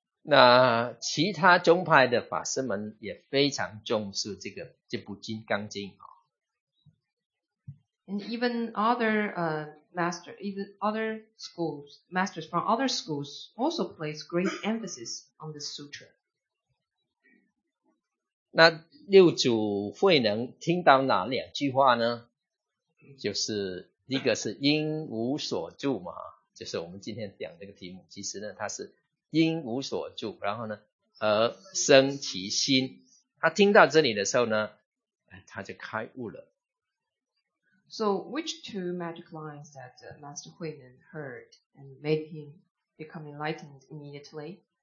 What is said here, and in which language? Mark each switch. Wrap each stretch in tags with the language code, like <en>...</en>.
<zh>那其他宗派的法师们也非常重视这部《金刚经》。</zh> <en>And even other masters from other schools also place great emphasis on the sutra.</en> <zh>那六祖慧能听到哪两句话呢？就是一个是因无所住嘛，就是我们今天讲这个题目，其实呢，它是因无所住，然后呢而生其心。他听到这里的时候呢，他就开悟了。</zh> <en>So which two magic lines that Master Huinen heard and made him become enlightened immediately?</en>